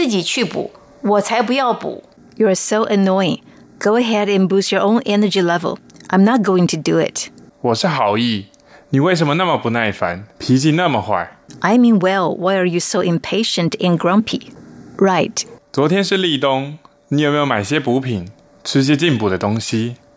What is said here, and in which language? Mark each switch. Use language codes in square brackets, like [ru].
[zh] 你真的很烦,要补你自己去补,我才不要补. [en] You're so annoying. Go ahead and boost your own energy level. I'm not going to do it. [zh] 我是好意,你为什么那么不耐烦,脾气那么坏? [en] I mean well, why are you so impatient and grumpy? Right. [zh] 昨天是立冬,你有没有买些补品,吃些进补的东西?